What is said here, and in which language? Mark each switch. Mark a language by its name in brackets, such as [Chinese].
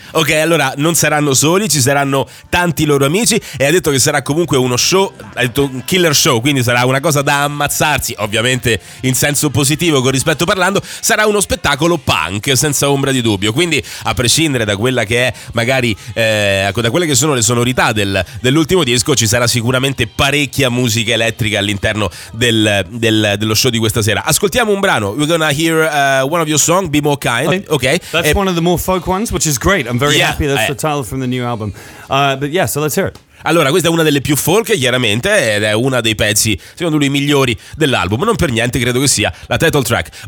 [Italian] Okay, allora, non saranno soli, ci saranno tanti loro amici, e ha detto che sarà comunque uno show, ha detto un killer show, quindi sarà una cosa da ammazzarsi, ovviamente in senso positivo, con rispetto parlando, sarà uno spettacolo punk, senza ombra di dubbio. Quindi, a prescindere da quella che è magari da quelle che sono le sonorità dell'ultimo disco, ci sarà sicuramente parecchia musica elettrica all'interno dello show di questa sera. Ascoltiamo un brano. [English] We're gonna hear one of your songs, Be More Kind. Okay. That's one of the more folk ones, which is great. I'm very yeah, happy that's the title from the new album. But yeah, so let's hear it. [Italian] Allora, questa è una delle più folk, chiaramente, ed è una dei pezzi, secondo lui, migliori dell'album. Non per niente credo che sia la title track.